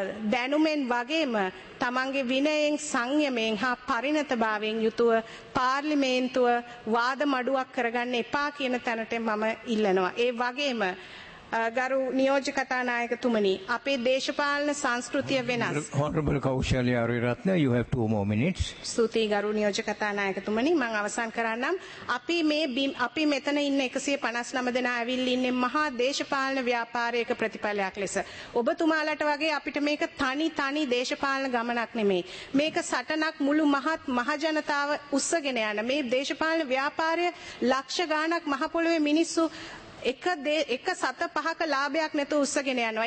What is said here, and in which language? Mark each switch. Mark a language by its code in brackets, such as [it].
[si] දැනුමෙන් වගේම තමන්ගේ විනයෙන් සංයමයෙන් හා පරිණතභාවයෙන් යුතුව පාර්ලිමේන්තුව වාද මඩුවක් කරගන්න එපා කියන තැනට මම ඉල්ලනවා ඒ වගේම ගරු නියෝජ්‍ය කතානායකතුමනි අපේ දේශපාලන සංස්කෘතිය වෙනස්. [en] Honorable Kaushalya Ariratne, you have 2 more minutes. [si] ස්තුති ගරු නියෝජ්‍ය කතානායකතුමනි මම අවසන් කරන්නම්. අපි මෙතන ඉන්න 159 දෙනා ඇවිල්ලා ඉන්නේ මහා දේශපාලන ව්‍යාපාරයක ප්‍රතිඵලයක් ලෙස. ඔබතුමාලට වගේ අපිට මේක තනි තනි දේශපාලන ගමනක් නෙමෙයි. මේක සටනක් මුළු මහත් මහජනතාව උස්සගෙන යන මේ දේශපාලන ව්‍යාපාරය ලක්ෂ ගාණක් මහ පොළොවේ මිනිස්සු එක සත පහක ලාභයක් නැතුව උස්සගෙන යනවා.